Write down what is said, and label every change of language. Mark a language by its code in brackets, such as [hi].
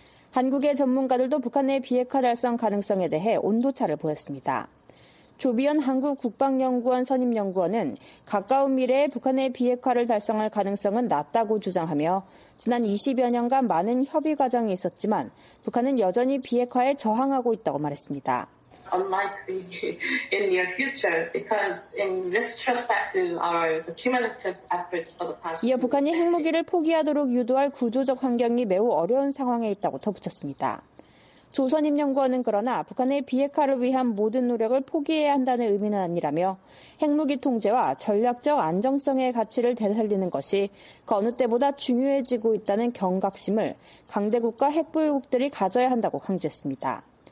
[ko] 한국의 전문가들도 북한의 비핵화 달성 가능성에 대해 온도차를 보였습니다. 조비현 한국국방연구원 선임연구원은 가까운 미래에 북한의 비핵화를 달성할 가능성은 낮다고 주장하며 지난 20여 년간 많은 협의 과정이 있었지만 북한은 여전히 비핵화에 저항하고 있다고 말했습니다. [en] Unlikely in the near future because in retrospective our cumulative efforts for the past [ko] 이어 북한이 핵무기를 포기하도록 유도할 구조적 환경이 매우 어려운 상황에 있다고 덧붙였습니다. 조선임연구원은 그러나 북한의 비핵화를 위한 모든 노력을 포기해야 한다는 의미는 아니라며 핵무기 통제와 전략적 안정성의 가치를 되살리는 것이 그 어느 때보다 중요해지고 있다는 경각심을 강대국과 핵보유국들이 가져야 한다고 강조했습니다.